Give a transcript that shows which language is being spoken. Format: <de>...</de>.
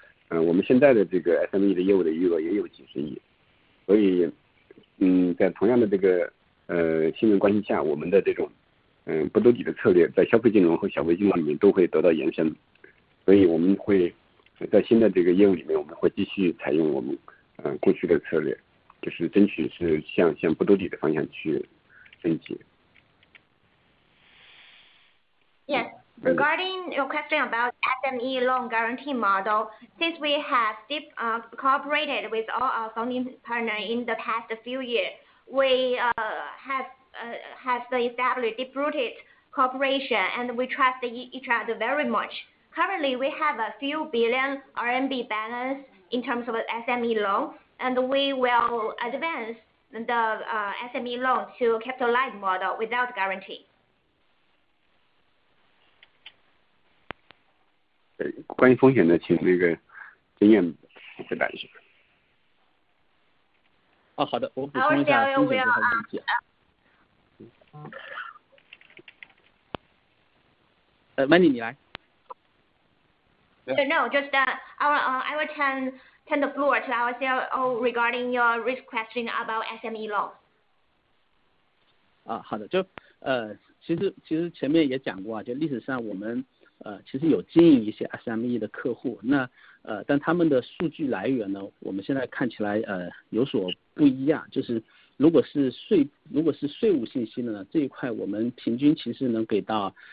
<zh>我们现在的这个 SME 的业务的余额也有几十亿，所以，在同样的这个信任关系下，我们的这种不兜底的策略在消费金融和小微金融里面都会得到延伸，所以我们会。在新的这个业务里面，我们会继续采用我们过去的策略，就是争取是向不兜底的方向去升级。</zh> <en>Yes, regarding your question about SME loan guarantee model, since we have deep cooperated with all our funding partner in the past few years, we have established deep rooted cooperation and we trust each other very much. Currently, we have a few billion RMB balance in terms of SME loan, and we will advance the SME loan to capital light model without guarantee.</en> <zh>关于风险的，请那个经验回答一下。好的，我补充一下风险的问题。 Mandy， 你来。</zh> <en>No, just I will turn the floor to our CEO regarding your risk question about SME loan.</en> <zh>好的，就其实前面也讲过啊，就历史上我们其实有经营一些 SME 的客户，那但他们的数据来源呢，我们现在看起来有所不一样，就是如果是税务信息的呢，这一块我们平均其实能给到。</zh>